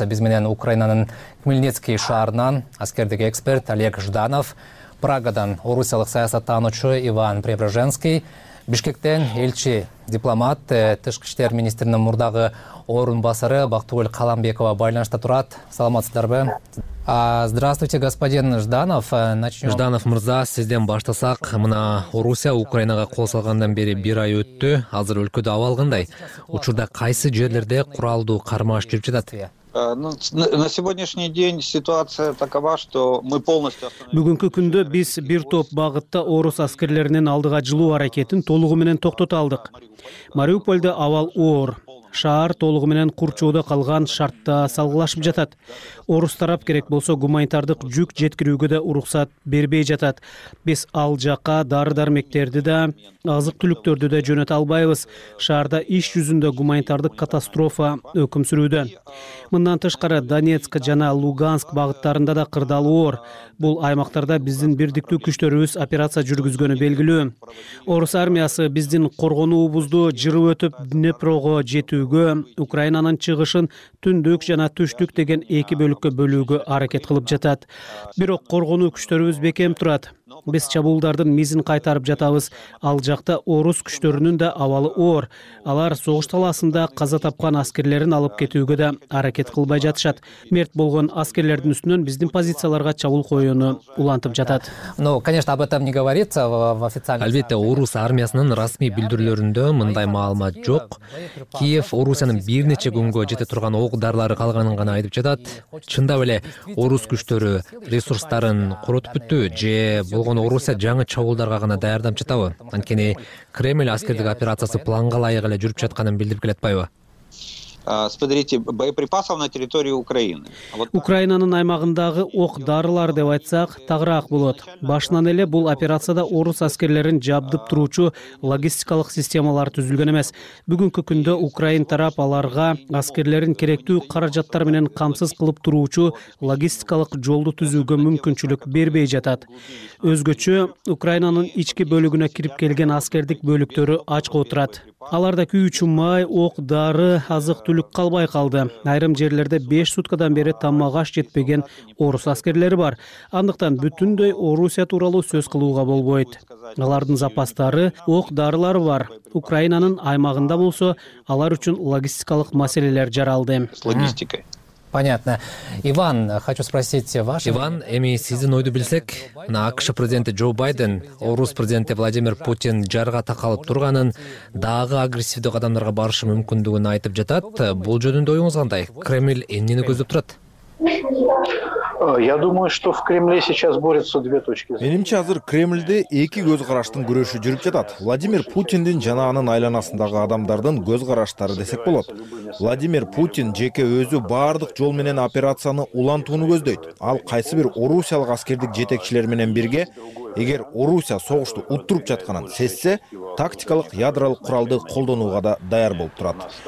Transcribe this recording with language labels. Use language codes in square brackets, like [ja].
[ky] Биз менен Украинанын Хмельницкий шаарынан аскердик эксперт Олег Жданов, Прагадан орусиялык саясаттануучу Иван Преображенский, Бишкектен элчи дипломат, тышкы иштер министринин мурдагы орун басары Бактыгүл Каламбекова байланышта турат. Саламатсыздарбы? [ru] Здравствуйте, господин Жданов. Начнем. [ky] Жданов мырза, сизден баштасак, мына Орусия Украинага кол салгандан бери бир ай өттү. Азыр өлкөдө абал кандай? Учурда кайсы жерлерде куралдуу кармаш жүрүп жатат? [ru] На сегодняшний день ситуация такова, что мы полностью остановились. [ky] Бүгүнкү күндө биз бир топ багытта орус аскерлеринин алдыга жылуу аракетин толугу менен токтото алдык. Мариуполде абал оор. Шаар толугу менен курчоодо калган шартта салгылашып жатат. Орус тарап керек болсо гуманитардык жүк жеткирүүгө да уруксат бербей жатат. Биз ал жака дары-дармектерди да, азык-түлүктөрдү да жөнөтө албайбыз. Шаарда иш жүзүндө гуманитардык катастрофа өкүм сүрүүдө. Мындан тышкары Донецк жана Луганск багыттарында да кырдаал оор. Бул аймактарда биздин бирдиктүү күчтөрүбүз операция жүргүзгөнү белгилүү. Орус армиясы биздин коргонуубузду жырып өтүп Днепрого жетүүгө, Украинанын чыгышын түндүк жана түштүк деген эки бөлүккө бөлүүгө аракет кылып жатат. Бирок коргонуу күчтөрүбүз бекем турат. Биз чабуулдардын мизин кайтарып жатабыз. Ал жакта орус күчтөрүнүн да абалы оор. Алар согуш талаасында каза тапкан аскерлерин алып кетүүгө да аракет кылбай жатышат. Мерт болгон аскерлердин үстүнөн биздин позицияларга чабуул коюуну улантып жатат. [ru] Ну, конечно, об этом не говорится в официальных. [ky] Албетте, орус армиясынын расмий билдирүүлөрүндө мындай маалымат жок. Киев Орусиянын бир нече күнгө жете турган ок дарылары калганын гана айтып жатат. Чындап эле орус күчтөрү ресурстарын куротуп бүттү же болгон Орусия жаңы чабуулдарга гана даярдап жатабы? Анткени Кремль аскердик операциясы планга ылайык эле жүрүп жатканын билдирип келе атпайбы? [ru] Смотрите, боеприпасов на территории Украины. [ky] Украинанын аймагындагы ок дарылар деп айтсак, тагыраак болот. Башынан эле бул операцияда орус аскерлерин жабдып туруучу логистикалык системалар түзүлгөн эмес. Бүгүнкү күндө Украин тарап аларга аскерлерин керектүү каражаттар менен камсыз кылып туруучу логистикалык жолду түзүүгө мүмкүнчүлүк бербей жатат. Өзгөчө, Украинанын ички бөлүгүнө кирип келген аскердик бөлүктөрү ачка отурат. Аларда күйүүчү май, ок дары, азык түлүк калбай калды. Айрым жерлерде 5 суткадан бери тамак аш жетпеген орус аскерлери бар. Андыктан бүтүндөй Орусия тууралуу сөз кылууга болбойт. Алардын запастары, ок дарылары бар. Украинанын аймагында болсо, алар үчүн логистикалык маселелер жаралды. Логистика. [ru] Понятно. Иван, хочу спросить ваше. [ky] Иван, эми сиздин ойду билсек, на АКШ президенти Джо Байден, орус президенти Владимир Путин жарга такалып турганын, дагы агрессивдүү кадамдарга барышы мүмкүндүгүн айтып жатат. Бул жөнүндө оюңуз кандай? Кремль эмнени көздөп турат? [ru] Я думаю, что в Кремле сейчас борются две точки. [ky] Менимче азыр Кремлде эки көз караштын күрөшү жүрүп жатат. Владимир Путиндин жана анын айланасындагы адамдардын көз караштары десек болот. Владимир Путин жеке өзү бардык жол менен операцияны улантууну көздөйт. Ал кайсы бир орусиялык аскердик жетекчилер менен бирге, эгер Орусия согушту уттуруп жатканын сезсе, тактикалык ядролук куралды колдонууга да даяр болуп турат.